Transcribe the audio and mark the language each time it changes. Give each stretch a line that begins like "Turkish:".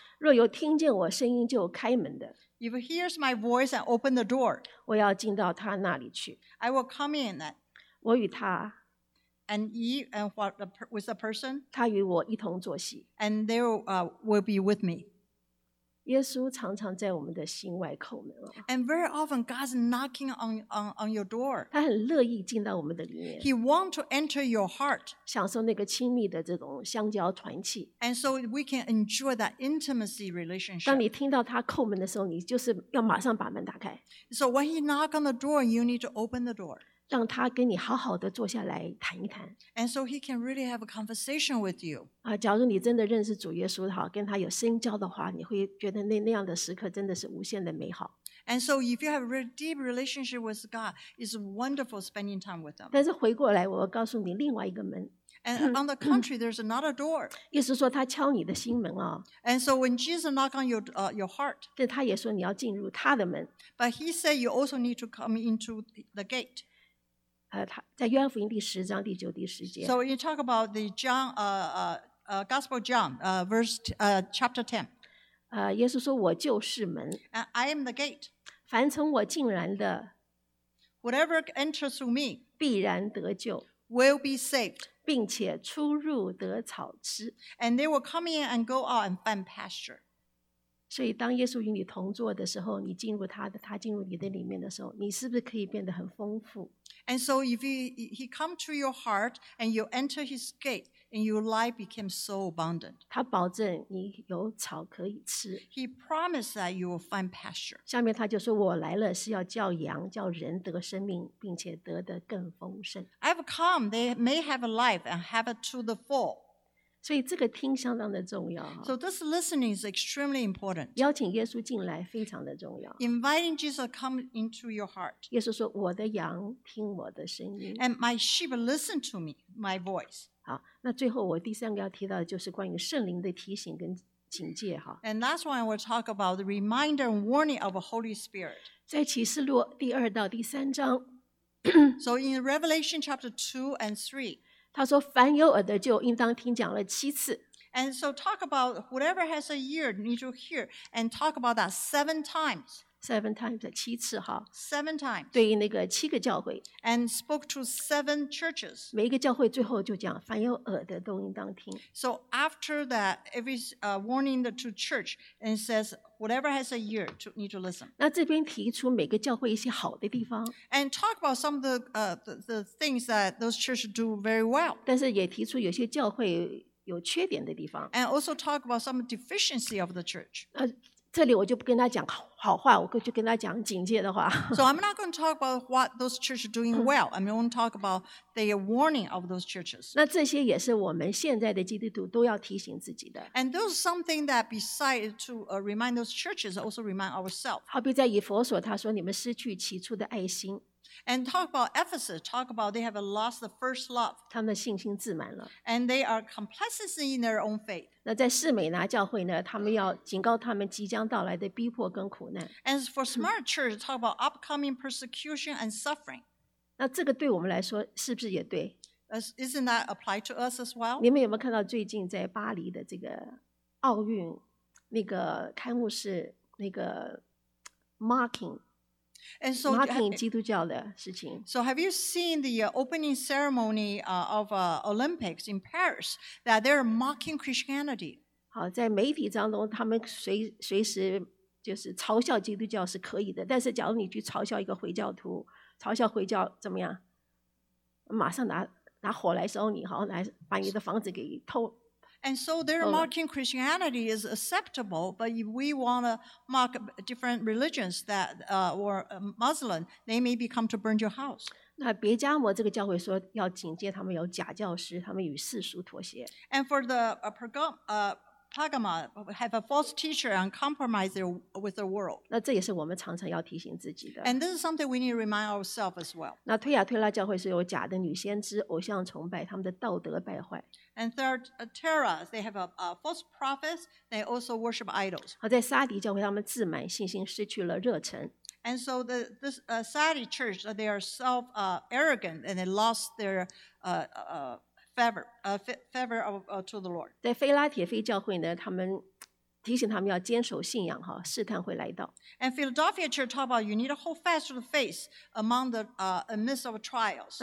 Chinese: 若有听见我声音就开门的。
English: If he hears my voice and open the door.
Chinese: 我要进到他那里去。
English: I will come in then.
Chinese: 我与他。
English: And eat and what with the person?
Chinese: 他与我一同坐席。
English: And they will be with me.
Chinese: 耶稣常常在我们的心外叩门。
English: And very often God's knocking on your door.
Chinese: 他很乐意进到我们的里面。
English: He wants to enter your heart.
Chinese: 享受那个亲密的这种相交团契。
English: And so we can enjoy that intimacy relationship.
Chinese: 当你听到他叩门的时候，你就是要马上把门打开。
English: So when he knocks on the door, you need to open the door.
Chinese: 让他跟你好好的坐下来谈一谈。
English: And so he can really have a conversation with you.
Chinese: 啊，假如你真的认识主耶稣好，跟他有深交的话，你会觉得那样的时刻真的是无限的美好。
English: And so if you have a really deep relationship with God, it's wonderful spending time with him.
Chinese: 但是回过来，我告诉你另外一个门。
English: And on the contrary, there's another door.
Chinese: 意思说他敲你的心门啊。
English: And so when Jesus knocked on your heart,
Chinese: 对，他也说你要进入他的门。
English: But he said you also need to come into the gate.
Chinese: 在约翰福音第十章第九第十节。
English: So you talk about the John, Gospel John, verse, chapter 10.
Chinese: 耶稣说我就是门。
English: And I am the gate.
Chinese: 凡从我进来的。
English: Whatever enters through me.
Chinese: 必然得救。
English: Will be saved.
Chinese: 并且出入得草吃。
English: And they will come in and go out and find pasture.
Chinese: 所以当耶稣与你同坐的时候，你进入他的，他进入你的里面的时候，你是不是可以变得很丰富？
English: And so if he come to your heart and you enter his gate and your life became so abundant.
Chinese: 他保证你有草可以吃。
English: He promised that you will find pasture.
Chinese: 下面他就说我来了是要叫羊叫人得生命并且得的更丰盛。
English: I've come, they may have a life and have it to the full.
Chinese: 所以这个听相当的重要。
English: So this listening is extremely important.
Chinese: 邀请耶稣进来非常的重要。
English: Inviting Jesus come into your heart.
Chinese: 耶稣说我的羊听我的声音。
English: And my sheep listen to me, my voice.
Chinese: 好，那最后我第三个要提到的就是关于圣灵的提醒跟警戒。
English: And last one I will talk about the reminder and warning of a Holy Spirit.
Chinese: 在启示录第二到第三章。
English: So in Revelation chapter 2 and 3,
Chinese: 他说凡有耳的就应当听讲了七次。
English: And so talk about whatever has a ear need to hear and talk about that seven times. Seven times,
Chinese: 七次哈。
English: Seven times.
Chinese: 对于那个七个教会。
English: And spoke to seven churches.
Chinese: 每一个教会最后就讲凡有耳的都应当听。
English: So after that, every warning to church and says,Whatever has a ear to need to listen.
Chinese: 那这边提出每个教会一些好的地方。
English: And talk about some of the things that those churches do very well.
Chinese: 但是也提出有些教会有缺点的地方。
English: And also talk about some deficiency of the church.
Chinese: 这里我就不跟他讲好话，我就跟他讲警戒的话。
English: So I'm not going to talk about what those churches are doing well. I'm going to talk about the warning of those churches.
Chinese: 那这些也是我们现在的基督徒都要提醒自己的。
English: And those are something that besides to remind those churches, also remind ourselves.
Chinese: 好比在以弗所，他说你们失去起初的爱心。
English: And talk about Ephesus, talk about they have lost the first love.
Chinese: 他们的信心自满了。
English: And they are complacency in their own faith.
Chinese: 那在士美拿教会呢，他们要警告他们即将到来的逼迫跟苦难。
English: And for smart church, talk about upcoming persecution and suffering.
Chinese: 那这个对我们来说是不是也对？
English: Isn't that applied to us as well?
Chinese: 你们有没有看到最近在巴黎的这个奥运那个开幕式那个 marking?
English: And so,
Chinese: marking 基督教的事情。
English: So have you seen the opening ceremony of Olympics in Paris that they're mocking Christianity?
Chinese: 好，在媒体当中，他们随时就是嘲笑基督教是可以的，但是假如你去嘲笑一个回教徒，嘲笑回教怎么样？马上拿火来烧你，好来把你的房子给偷。
English: And so their marking Christianity is acceptable, but if we want to mark different religions that were Muslim, they may come to burn your house.
Chinese: 那别加摩这个教会说要警戒他们有假教师，他们与世俗妥协。
English: And for the Pergama have a false teacher and compromise with the world.
Chinese: 那这也是我们常常要提醒自己的。
English: And this is something we need to remind ourselves as well.
Chinese: 那推亚推拉教会是有假的女先知，偶像崇拜，他们的道德败坏。
English: And third, Terra, they have a false prophet. They also worship idols.
Chinese: 好，在撒迪教会，他们自满，信心失去了热忱。
English: And so this Saudi church, they are self arrogant and they lost their favor to the Lord.
Chinese: 在腓拉铁菲教会呢，他们提醒他们要坚守信仰哈，试探会来到。
English: And Philadelphia church talk about you need to hold fast to the faith among the midst of trials.